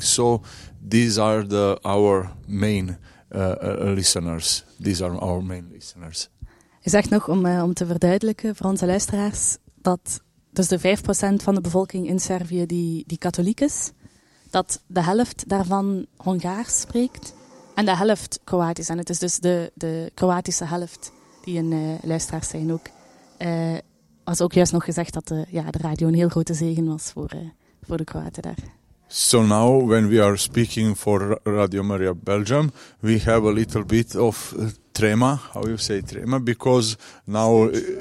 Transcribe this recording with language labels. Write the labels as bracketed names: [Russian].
[English] So these are our main listeners. These are our main listeners. [Dutch] Je zegt nog om te verduidelijken voor onze luisteraars dat dus de 5% van de bevolking in Servië die katholiek is, dat de helft daarvan Hongaars spreekt en de helft Kroatisch. En het is dus de Kroatische helft die een luisteraars zijn ook. Was ook juist nog gezegd dat de radio een heel grote zegen was voor de Kroaten daar. [English] So now, when we are speaking for Radio Maria Belgium, we have a little bit of trema, how you say trema, because now...